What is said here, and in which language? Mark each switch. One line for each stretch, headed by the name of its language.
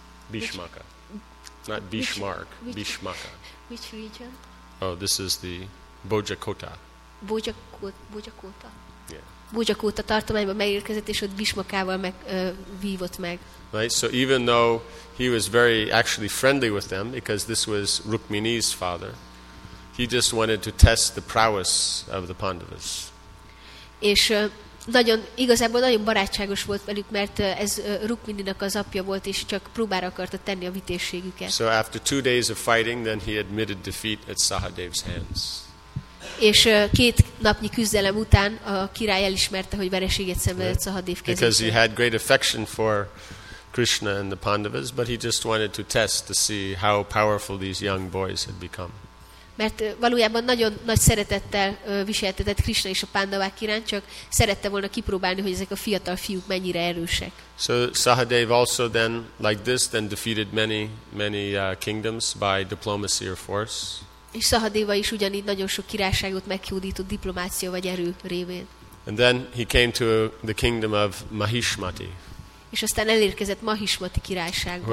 English: Bhishmaka. Not Bhishmark, Bhishmaka. Which region? Oh, this is the Bhojakota. Bhojakota. Yeah.
Hungarian: Bhojakota tartományban megérkezett, és ott Bhishmakával vívott meg.
English: Right, so even though he was very actually friendly with them, because this was Rukmini's father, he just wanted to test the prowess of the Pandavas.
Hungarian: És igazából nagyon barátságos volt velük, mert ez Rukmininak az apja volt, és csak próbára akarta tenni a vitézségüket.
English: So after 2 days of fighting, then he admitted defeat at Sahadev's hands.
Hungarian: És 2 napnyi küzdelem után a király elismerte, hogy vereséget szenvedett Sahadev kezében.
English: Because he had great affection for Krishna and the Pandavas, but he just wanted to test to see how powerful these young boys had become.
Hungarian: Mert valójában nagyon nagy szeretettel viseltetett Krishna és a Pandavák iránt, csak szerette volna kipróbálni, hogy ezek a fiatal fiúk mennyire erősek.
English: So Sahadev also then, like this, then defeated many kingdoms by diplomacy or force.
Hungarian: És Sahadeva is ugyanígy nagyon sok királyságot meghódított diplomácia vagy erő révén.
English: And then he came to the kingdom of Mahishmati.
Hungarian: És aztán elérkezett Mahishmati királyságba.